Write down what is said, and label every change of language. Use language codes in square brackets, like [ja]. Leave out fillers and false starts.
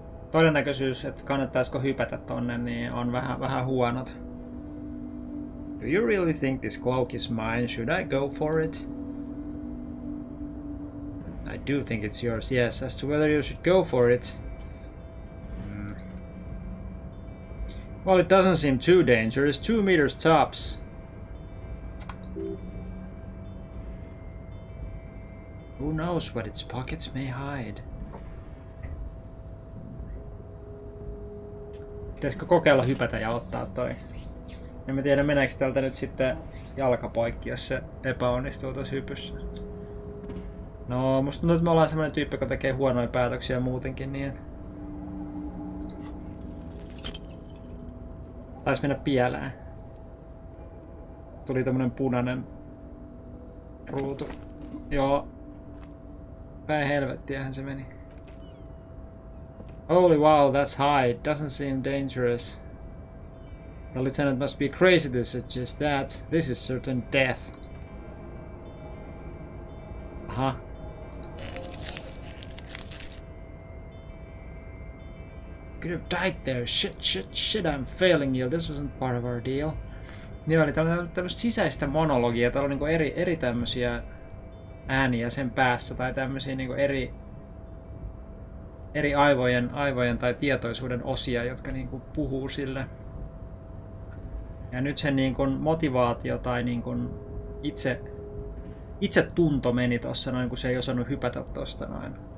[fi] Todennäköisyys, että kannattaisiko hypätä tonne, niin on vähän huonot. [en] Do you really think this cloak is mine? Should I go for it? I do think it's yours, yes. As to whether you should go for it... Well, it doesn't seem too dangerous. 2 meters tops. Who knows what its pockets may hide? [fi] Pitäisikö kokeilla hypätä ja ottaa toi? En mä tiedä, meneekö tältä nyt sitten jalka poikki, jos se epäonnistuu tossa hypyssä. No, musta tuntuu, että me ollaan semmonen tyyppi, joka tekee huonoja päätöksiä muutenkin, niin... Taisi mennä pielään. Tuli tommonen punainen ruutu. Joo. Päin helvettiähän se meni. [en] Holy wow, that's high. It doesn't seem dangerous. The lieutenant must be crazy to suggest that. This is certain death. Aha. You could have died there. Shit, I'm failing you. This wasn't part of our deal. [fi] Niillä oli tämmöistä sisäistä monologia. Täällä on niinku eri tämmösiä ääniä sen päässä. Tai tämmösiä niinku eri aivojen tai tietoisuuden osia, jotka niinku puhuu sille Ja nyt sen niin kun motivaatio tai niin kun itse tunto meni tuossa noin, kun se ei osannut hypätä tuosta noin.